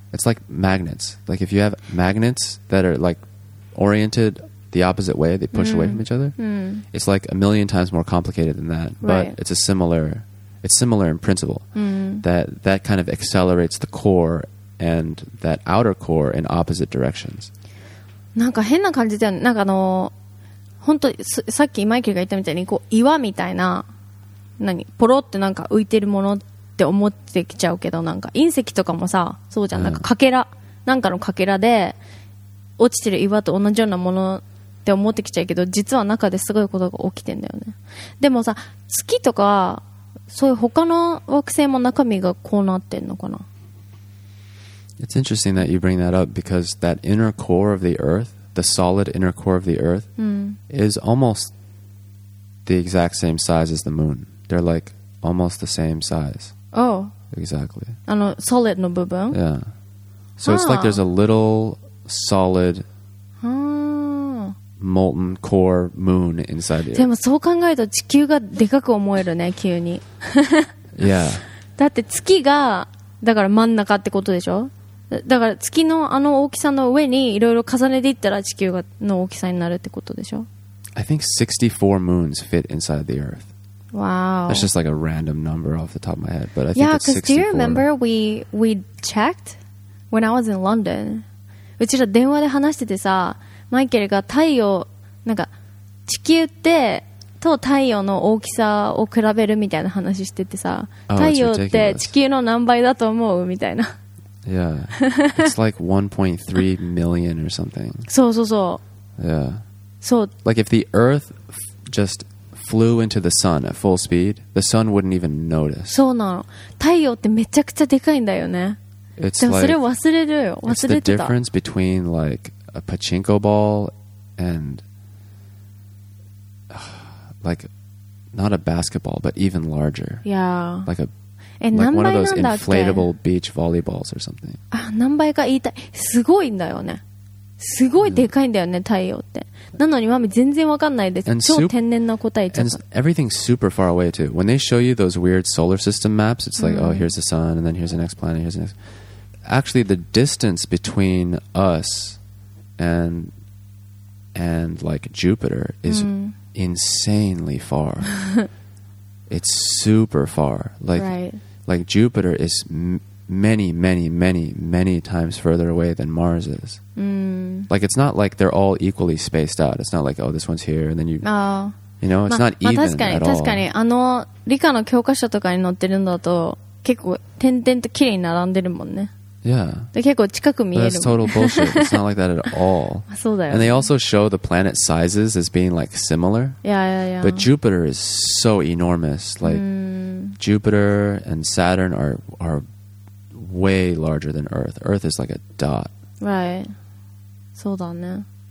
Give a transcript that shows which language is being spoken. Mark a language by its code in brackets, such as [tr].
[en] it's like magnets like if you have magnets that are like oriented the opposite way they push、mm. away from each other、 mm. it's like a million times more complicated than that、 right. but it's similar in principle、 mm. that kind of accelerates the core and that outer core in opposite directions. [ja] なんか変な感じだよね。なんかほんとさっきマイケルが言ったみたいにこう岩みたいな何ポロってなんか浮いてるものって思ってきちゃうけどなんか隕石とかもさそうじゃん、うん、なんかかけらなんかのかけらで落ちてる岩と同じようなものって思ってきちゃうけど実は中ですごいことが起きてんだよね。でもさ月とかそういう他の惑星も中身がこうなってんのかな。 [en] It's interesting that you bring that up because that inner core of the Earth, the solid inner core of the Earth is almost the exact same size as the moon. They're like almost the same size. Oh. Exactly. [ja] あの、solid の部分? [en] Yeah. So it's like there's a little solid molten core moon inside the Earth. [ja] でもそう考えると地球がでかく思えるね、急に。 [en] Yeah. [ja] だって月がだから真ん中ってことでしょ?だから月のあの大きさの上にいろいろ重ねていったら地球の大きさになるってことでしょ? [en] I think 64 moons fit inside the Earth. Wow. That's just like a random number off the top of my head. But I think it's 64. Yeah, because do you remember we checked when I was in London? [ja] うちら電話で話しててさ、マイケルが太陽、なんか地球ってと太陽の大きさを比べるみたいな話しててさ、太陽って地球の何倍だと思うみたいな。 [en] Yeah, it's like 1.3 million or something. [ja] そうそうそう。 [en] Yeah. So, like if the Earth just flew into the sun at full speed, the sun wouldn't even notice. [ja] そうなの。太陽ってめちゃくちゃでかいんだよね。 [en] It's like, [ja] それ忘れるよ。忘れてた。 [en] It's the difference between like a pachinko ball and like not a basketball, but even larger. Yeah. Like a Like one of those inflatable beach volleyballs or something. [ja] あ、何倍か言いたい。すごいんだよね。すごいでかいんだよね、太陽って。なのにマミ全然わかんないです。超天然な答えちゃう。 [en] And everything's super far away too. When they show you those weird solar system maps, it's like, oh, here's the sun, and then here's the next planet, here's the next. Actually, the distance between us and like Jupiter is insanely far. It's super far. Like, like Jupiter is many times further away than Mars is. Like, it's not like they're all equally spaced out. It's not like, oh, this one's here, and then you... You know, it's not even at all. [ja] 確かに。あの、理科の教科書とかに載ってるんだと、結構、点々と綺麗に並んでるもんね。 [en] Yeah. [ja] で、結構近く見える。 [en] That's total bullshit. It's not like that at all. [ja] そうだよ。 [en] And they also show the planet sizes as being, like, similar. Yeah, yeah, yeah. But Jupiter is so enormous. Like, Jupiter and Saturn are way larger than Earth. Earth is like a dot. [ja] Right. そうだね。